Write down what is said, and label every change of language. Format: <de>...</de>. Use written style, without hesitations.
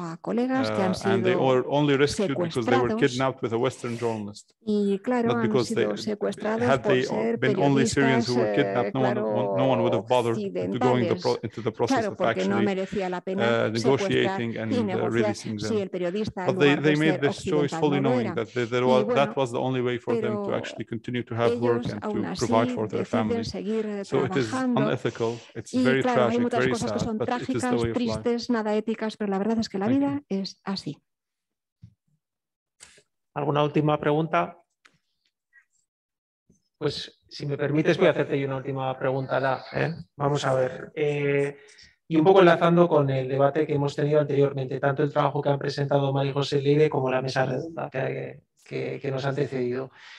<es>a colegas que han sido secuestrados y, claro, han sido secuestrados por ser periodistas, claro, porque no merecía la pena secuestrar y negociar si el periodista no ha de ser occidental.</es> <en>That was the only way for them to actually continue to have work and to provide for their families. So it is unethical. It's very tragic, very sad, but it is the way of life.</en> <es>Nada éticas, pero la verdad es que la vida es así. ¿Alguna última pregunta? Pues, si me permites, voy a hacerte una última pregunta. Vamos a ver. Y un poco enlazando con el debate que hemos tenido anteriormente, tanto el trabajo que han presentado María José Leire como la mesa redonda que nos ha antecedido.</es>